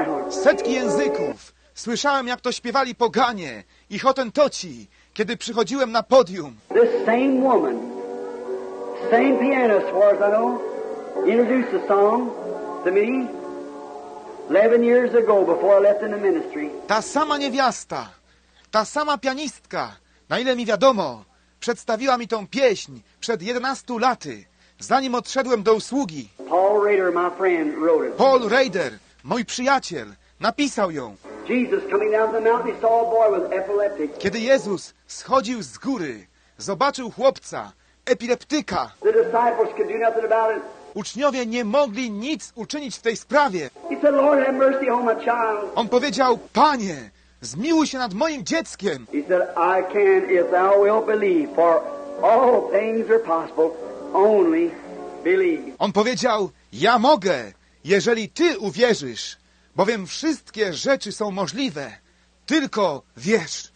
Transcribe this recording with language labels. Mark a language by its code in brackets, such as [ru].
[pl] Setki języków słyszałem, jak to śpiewali poganie i hotentoci, kiedy przychodziłem na podium. [en] This same woman, same pianist, was I know, introduced a song to me 11 years ago before I left in the ministry. [pl] Ta sama niewiasta, ta sama pianistka, na ile mi wiadomo, przedstawiła mi tą pieśń przed 11 laty, zanim odszedłem do usługi. [en] Paul Rader, my friend, wrote it. [pl] Paul Rader, mój przyjaciel, napisał ją. [en] Jesus coming down the mountain, he saw a boy with epileptic. [pl] Kiedy Jezus schodził z góry, zobaczył chłopca, epileptyka. [en] The disciples could do nothing about it. [pl] Uczniowie nie mogli nic uczynić w tej sprawie. [en] He said, Lord, have mercy on my child. [pl] On powiedział: Panie, zmiłuj się nad moim dzieckiem. [en] He said, I can if thou wilt believe, for all things are possible, only believe. [pl] On powiedział: ja mogę, jeżeli ty uwierzysz, bowiem wszystkie rzeczy są możliwe, tylko wierz.